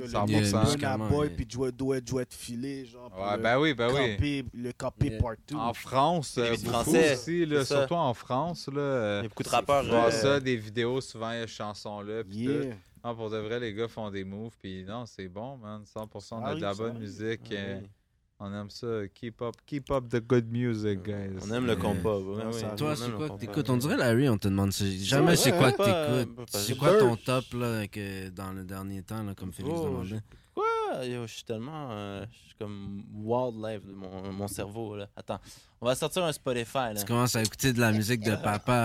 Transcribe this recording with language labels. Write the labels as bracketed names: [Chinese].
[French] Yo, ça a boy puis jouer de filé, genre. Ouais, ben oui, ben oui. Le copy yeah. partout. En France, beaucoup aussi, là, surtout en France. Là, il y a beaucoup de rappeurs. Je vois ça, des vidéos, souvent, il y a chansons là. Non, pour de vrai, les gars font des moves, puis non, c'est bon, man. 100% de la bonne musique. Ouais. On aime ça. [English] Keep up the good music, guys. [French] On aime le compas. Ouais. Ouais, oui. Toi, c'est quoi que t'écoutes? On dirait Larry, on te demande ça. Jamais c'est quoi que t'écoutes. C'est quoi ton top là, que dans le dernier temps, là, comme Félix demandait? Quoi? Yo, je suis tellement. Je suis comme wildlife, mon cerveau. Là. Attends, on va sortir un Spotify. Là. Tu commences à écouter de la musique de papa.